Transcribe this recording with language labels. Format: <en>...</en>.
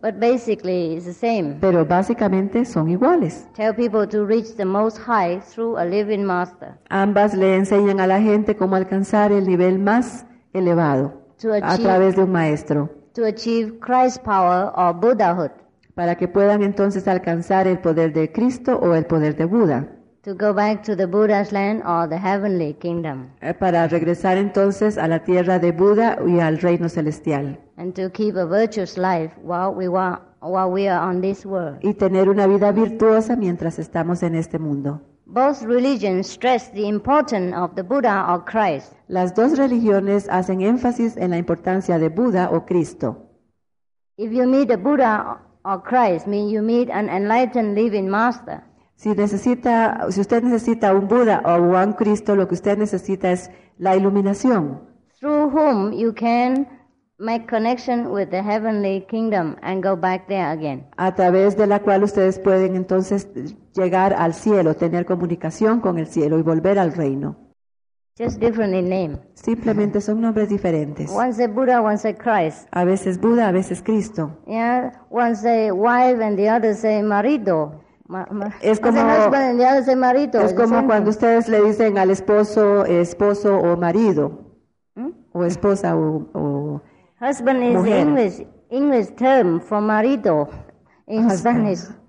<en>But basically it's the same.</en> <es>Pero básicamente son iguales.</es> <en>Tell people to reach the most high through a living master.</en> <es>Ambas le enseñan a la gente cómo alcanzar el nivel más elevado a través de un maestro.</es> <en>To achieve Christ's power or Buddhahood.</en> <es>Para que puedan entonces alcanzar el poder de Cristo o el poder de Buda.</es> <en>To go back to the Buddha's land or the heavenly kingdom.</en> <es>Para regresar entonces a la tierra de Buda y al reino celestial.</es> <en>And to keep a virtuous life while we are on this world.</en> <es>Y tener una vida virtuosa mientras estamos en este mundo.</es> <en>Both religions stress the importance of the Buddha or Christ.</en> <es>Las dos religiones hacen énfasis en la importancia de Buda o Cristo.</es> <en>If you meet a Buddha or Christ, mean you meet an enlightened living master.</en> <es>Si usted necesita un Buda o un Cristo, lo que usted necesita es la iluminación.</es> <en>Through whom you can make connection with the heavenly kingdom and go back there again.</en> <es>A través de la cual ustedes pueden entonces llegar al cielo, tener comunicación con el cielo y volver al reino.</es> <en>Just differently named.</en> <es>Simplemente son nombres diferentes.</es> <en>Once a Buddha, once a Christ.</en> <es>A veces Buda, a veces Cristo.</es> <en>Yeah, once a wife and the other say marido.</en> <es>Es como cuando ustedes le dicen al esposo, esposo o marido, o esposa o</es> <en>husband</en> <es>mujer.</es> <en>Is the English term for marido in Spanish.</en>